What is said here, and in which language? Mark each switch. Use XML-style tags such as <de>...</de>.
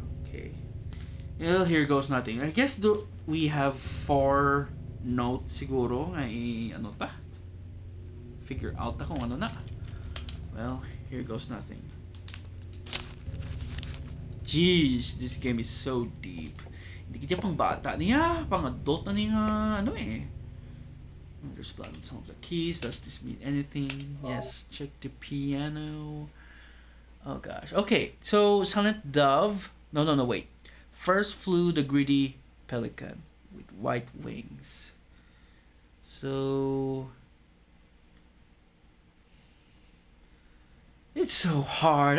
<en>Okay. Well, here goes nothing. I guess we have 4 notes</en> <tl>siguro ano pa?</tl> <en>Figure out</en> <tl>na kung ano na.</tl> <en>Well, here goes nothing. Jeez, this game is so deep.</en> <tl>Hindi kaya pang bata niya, pang adult na niya, ano eh.</tl> <en>There's blood on some of the keys. Does this mean anything? Oh. Yes, check the piano. Oh gosh. Okay, so silent dove. No, wait. First flew the greedy pelican with white wings. So it's so hard.</en>